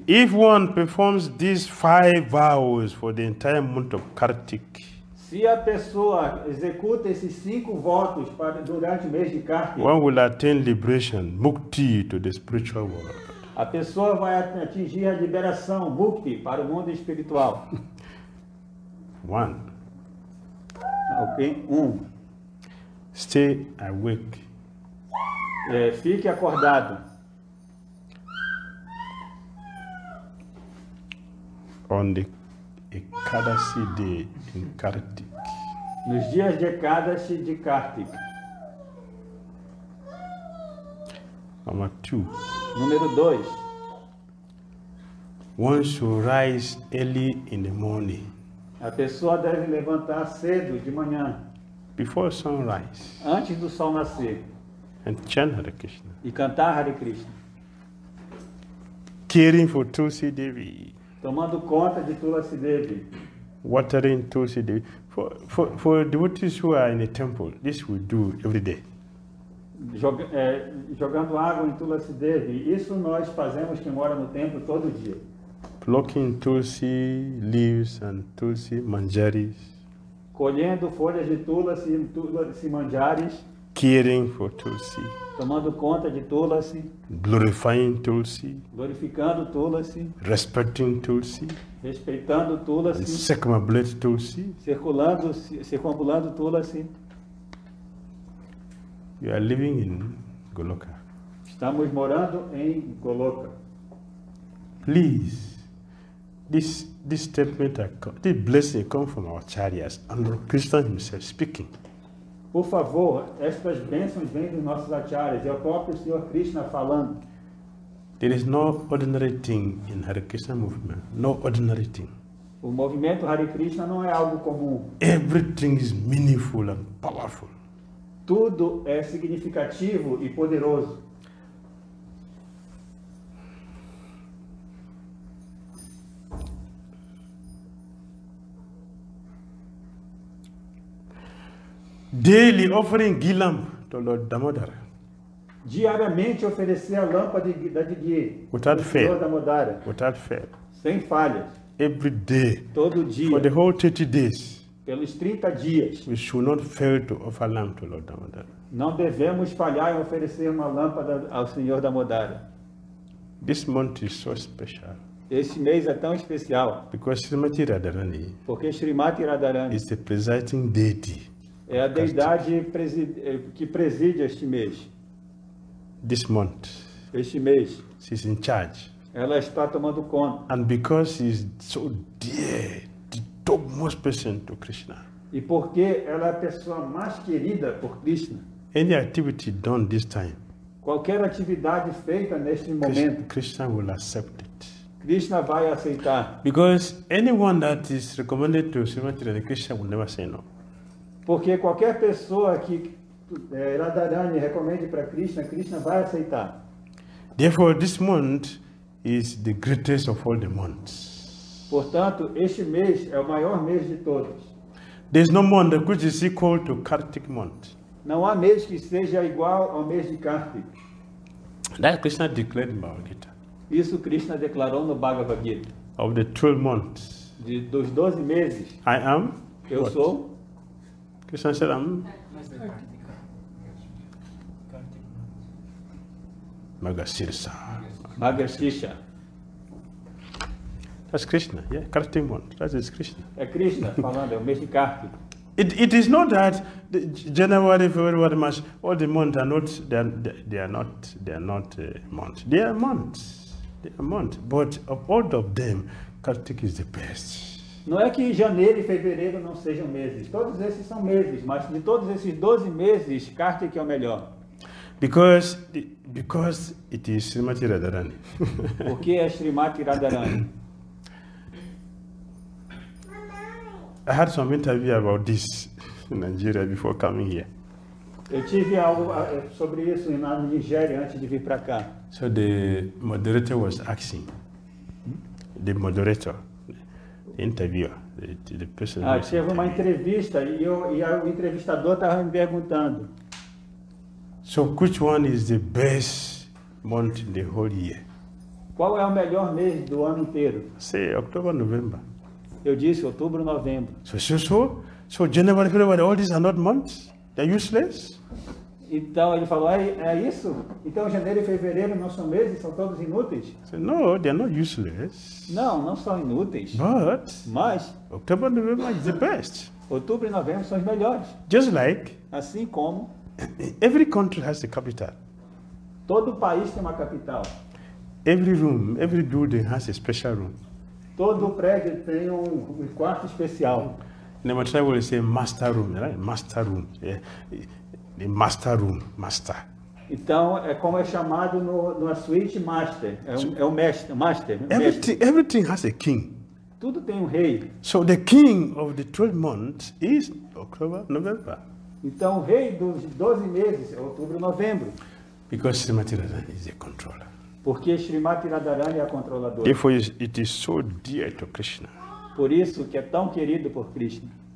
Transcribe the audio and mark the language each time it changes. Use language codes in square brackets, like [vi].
[en] if one performs these five vows for the entire month of Kartik, [pt] se a pessoa executa esses cinco votos para durante o mês de Kartik, [en] one will attain liberation, mukti, to the spiritual world. [pt] A pessoa vai atingir a liberação, mukti, para o mundo espiritual. [en] One. Ok, Stay awake. [pt] Fique acordado. [en] On the Ekadasi day in Kartik. [pt] Nos dias de Ekadashi de Kartika. [en] Number two. [pt] Número 2. [en] One should rise early in the morning. [pt] A pessoa deve levantar cedo de manhã. [en] Before sunrise. [pt] Antes do sol nascer. [en] And chant Hare Krishna. [pt] E cantar Hare Krishna. [en] Caring for Tulsi Devi. [pt] Tomando conta de Tulsi Devi. [en] Watering Tulsi Devi. For devotees who are in the temple, this we do every day. [pt] Jogando água em Tulsi Devi, isso nós fazemos que mora no templo todo dia. [en] Plucking Tulsi leaves and Tulsi manjaris. [pt] Colhendo folhas de Tulsi e Tulsi manjaris. [en] Caring for Tulsi. [pt] Tomando conta de Tulsi. [en] Glorifying Tulsi. [pt] Glorificando Tulsi. [en] Respecting Tulsi. [pt] Respeitando Tulsi. Circumambulando Tulsi. Circulando Tulsi. [en] You are living in Goloka. [pt] Estamos morando em Goloka. [en] Please, this statement, this blessing comes from our acharyas, and Krishna himself speaking. [pt] Por favor, estas bênçãos vêm dos nossos acharyas, é o próprio Senhor Krishna falando. [en] There is no ordinary thing in Hare Krishna movement, no ordinary thing. [pt] O movimento Hare Krishna não é algo comum. [en] Everything is meaningful and powerful. [pt] Tudo é significativo e poderoso. [en] Daily offering Gilam to Lord Damodara. [pt] Diariamente oferecer a lâmpada da Digi. [en] Without fail. Lord Damodara. Without fail. [pt] Sem falhas. [en] Every day. [pt] Todo dia. [en] For the whole 30 days. [pt] Pelos 30 dias. [en] We should not fail to offer lamp to Lord Damodara. [pt] Não devemos falhar em oferecer uma lâmpada ao Senhor Damodara. [en] This month is so special. [pt] Este mês é tão especial. [en] Because Srimati Radharani. [pt] Porque Srimati Radharani. [en] Is the presiding deity. [pt] É a deidade que preside este mês. [en] This month. [pt] Este mês. [en] She's in charge. [pt] Ela está tomando conta. [en] And because she's so dear, the topmost person to Krishna. [pt] E porque ela é a pessoa mais querida por Krishna. [en] Any activity done this time. [pt] Qualquer atividade feita neste momento. [en] Krishna will accept it. [pt] Krishna vai aceitar. [en] Because anyone that is recommended to Srimati Radhakrishna will never say no. [pt] Porque qualquer pessoa que Radharani recomende para Krishna, Krishna vai aceitar. [en] Therefore, this month is the greatest of all the months. [pt] Portanto, este mês é o maior mês de todos. [en] There is no month which is equal to Kartik month. [pt] Não há mês que seja igual ao mês de Kartik. [en] That Krishna declared in Bhagavad Gita. [pt] Isso Krishna declarou no Bhagavad Gita. [en] Of the 12 months. [pt] Dos 12 meses. [en] I am. [pt] Eu what? Sou. [en] Krishna said, I'm Magasirsa. [pt] Magasirsa. [en] That's Krishna, yeah, Kartik month. That is Krishna. [pt] É Krishna falando, é o mês de Kartik. [en] It is not that the January, February, March, all the months are not, they are not months. They are months. They are months. But of all of them, Kartik is the best. [pt] Não é que janeiro e fevereiro não sejam meses. Todos esses são meses, mas de todos esses 12 meses, Kartik é o melhor. [en] Because it is Srimati Radharani. [pt] Porque é Srimati Radharani. [en] I had some interview about this in Nigeria before coming here. [pt] Eu tive algo sobre isso na Nigéria antes de vir para cá. [en] So the moderator was asking. The moderator. Interviewer, the person. [pt] Ah, teve uma entrevista e o entrevistador estava me perguntando. [en] So which one is the best month in the whole year? [pt] Qual é o melhor mês do ano inteiro? [en] Say October, November. [pt] Eu disse outubro, novembro. [en] So January, February, all these are not months? They're useless? [pt] Então ele falou, é isso? Então janeiro e fevereiro não são meses, são todos inúteis? [en] No, they are not useless. [pt] Não, não são inúteis. [en] But, [pt] mas, [en] October and November is the best. [pt] Outubro e novembro são os melhores. [en] Just like, [pt] assim como, [en] every country has a capital. [pt] Todo país tem uma capital. [en] Every room, every building has a special room. [pt] Todo prédio tem um quarto especial. [en] Number tribe will say master room, right? Master room. Yeah. The master room, master. [pt] Então, é como é chamado no, no suíte, master. É o mestre, master. [en] Everything, [pt] mestre. [en] Everything has a king. [pt] Tudo tem um rei. [en] So the king of the 12 months is October, November. [pt] Então, o rei dos 12 meses é outubro, novembro. [en] Because Srimati Radharani is the controller. [pt] Porque Srimati Radharani é a controladora. [en] Therefore, it is so dear to Krishna. [pt] Por isso que é tão querido por Krishna.